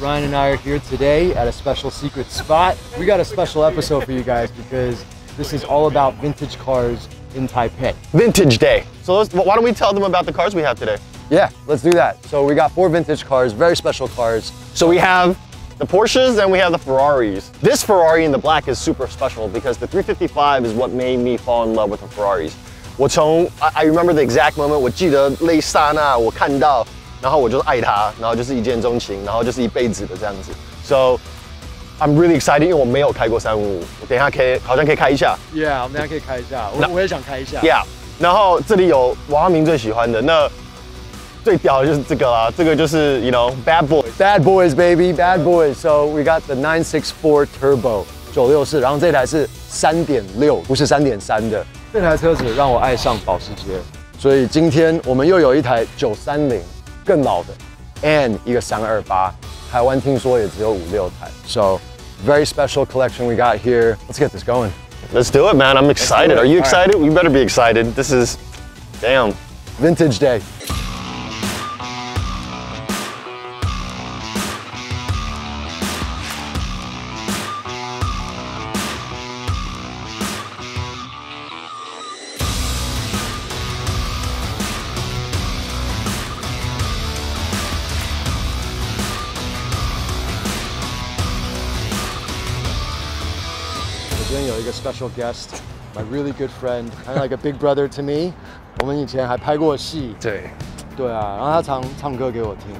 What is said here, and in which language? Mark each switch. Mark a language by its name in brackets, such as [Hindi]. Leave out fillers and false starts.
[English] Ryan and I are here today at a special secret spot. We got a special episode for you guys because this is all about vintage cars in Taipei. Vintage day. So why don't we tell them about the cars we have today? Yeah, let's do that. So we got four vintage cars, very special cars. So we have the Porsches and we have the Ferraris. This Ferrari in the black is super special because the 355 is what made me fall in love with the Ferraris. [Chinese] 我从, [English] I remember the exact moment, [Chinese] 我记得那一刹那我看到，然后我就爱它，然后就是一见钟情，然后就是一辈子的这样子。 [English] So I'm really excited because [Chinese] 我没有开过355，我等一下可以，好像可以开一下。Yeah，我们等一下可以开一下，我也想开一下。Yeah，然后这里有娃娃明最喜欢的那。最屌的就是这个啦，这个就是 [English] you know bad boys, bad boys baby, bad boys. So we got the 964 turbo 964， [Chinese] 然后这台是 3.6， 不是 3.3 的。这台车子让我爱上保时捷，所以今天我们又有一台 930， 更老的 ，and 一个 328， 台湾听说也只有5-6台。 [English] So very special collection we got here. Let's get this going. Let's do it, man. I'm excited. Are you excited? Right. You better be excited. This is damn vintage day. Special guest, my really good friend, kind of like a big brother to me. [Chinese] 我们以前还拍过戏，对啊，然后他常常哥给我听，